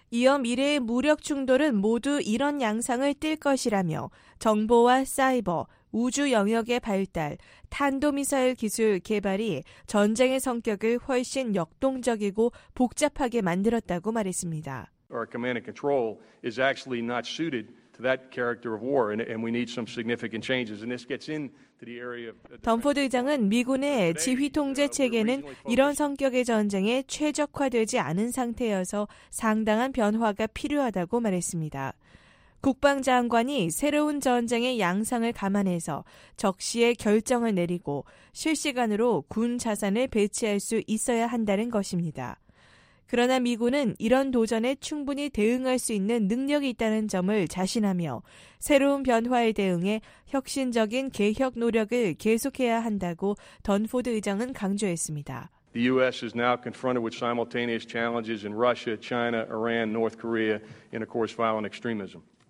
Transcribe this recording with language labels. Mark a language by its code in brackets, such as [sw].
[ko] 이어 미래의 무력 충돌은 모두 이런 양상을 띨 것이라며 정보와 사이버, 우주 영역의 발달, 탄도미사일 기술 개발이 전쟁의 성격을 훨씬 역동적이고 복잡하게 만들었다고 말했습니다. [en] Our command and control is actually not suited to that character of war, and we need some significant changes. And this gets in. [ko] 덤포드 의장은 미군의 지휘통제 체계는 이런 성격의 전쟁에 최적화되지 않은 상태여서 상당한 변화가 필요하다고 말했습니다. 국방장관이 새로운 전쟁의 양상을 감안해서 적시에 결정을 내리고 실시간으로 군 자산을 배치할 수 있어야 한다는 것입니다. 그러나 미군은 이런 도전에 충분히 대응할 수 있는 능력이 있다는 점을 자신하며 새로운 변화에 대응해 혁신적인 개혁 노력을 계속해야 한다고 던포드 의장은 강조했습니다. [en] The U.S. is now confronted with simultaneous challenges in Russia, China, Iran, North Korea, and of course violent extremism.